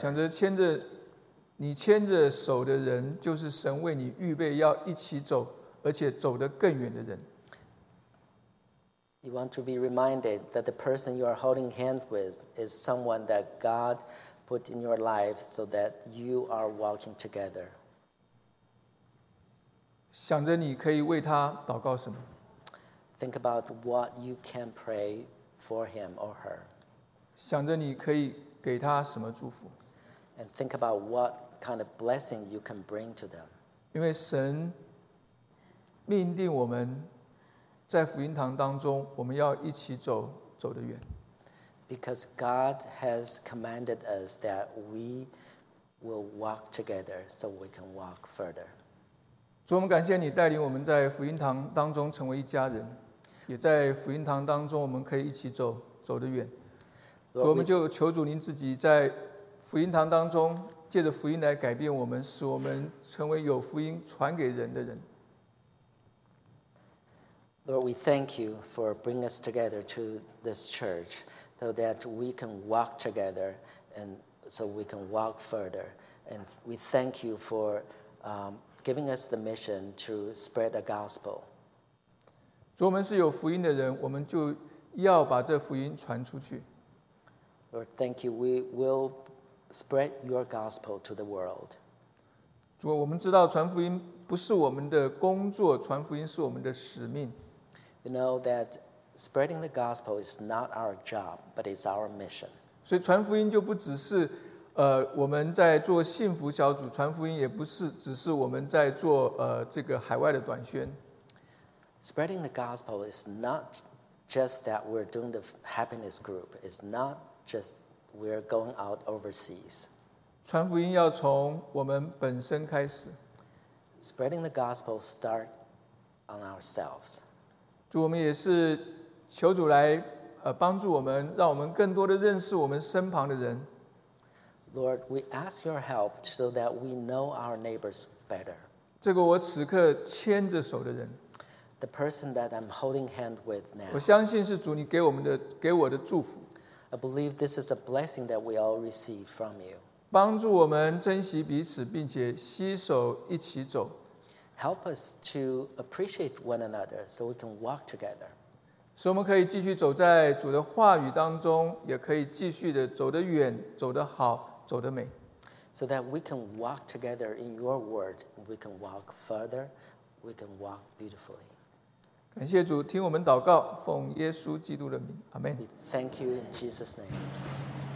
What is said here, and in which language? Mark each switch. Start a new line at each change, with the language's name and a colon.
Chinese: 想着牵着你牵着手的人，就是神为你预备要一起走，而且走得更远的人。
English: You want to be reminded that the person you are holding hands with is someone that God put in your life so that you are walking together.
Chinese: 想着你可以为他祷告什么？
English: Think about what you can pray for him or her.
Chinese: 想着你可以给他什么祝福？
English: And think about what kind of blessing you can bring to them.
Chinese: 因为神命定我们在福音堂当中，我们要一起走，走得远。
English: Because God has commanded us that we will walk together so we can walk further.
Chinese: 主，我们感谢你带领我们在福音堂当中成为一家人。也在福音堂当中我们可以一起走，走得远。主，我们就求主您自己在福音堂当中借着福音来改变我们，使我们成为有福音传给人的人。
English: Lord, we thank you for bringing us together to this church so that we can walk together and so we can walk further. And we thank you for giving us the mission to spread the gospel.
Chinese: 主，我们是有福音的人，我们就要把这福音传出去。
English: Lord, thank you. We will spread your gospel to the world.
Chinese: 主，我们知道传福音不是我们的工作，传福音是我们的使命。
English: You know that spreading the gospel is not our job, but it's our mission.
Chinese: 所以传福音就不只是，我们在做幸福小组，传福音也不是只是我们在做，这个海外的短宣。
English: Spreading the gospel is not just that we're doing the happiness group. It's not just we're going out overseas.
Chinese: 传福音要从我们本身开始。
English: Spreading the gospel starts on ourselves.
Chinese: 主，我们也是求主来帮助我们，让我们更多的认识我们身旁的人。
English: Lord, we ask your help so that we know our neighbors better.
Chinese: 这个我此刻牵着手的人。
English: The person that I'm holding hand with now.
Chinese: 我相信是主你给我们的，给我的祝福。
English: I believe this is a blessing that we all receive from you.
Chinese: 帮助我们珍惜彼此，并且携手一起走。
English: Help us to appreciate one another so we can walk together.
Chinese: 使我们可以继续走在主的话语当中，也可以继续的走得远，走得好，走得美。
English: So that we can walk together in your word, we can walk further, we can walk beautifully.
Chinese: 感谢主，听我们祷告，奉耶稣基督的名，阿门。
English: We thank you in Jesus' name.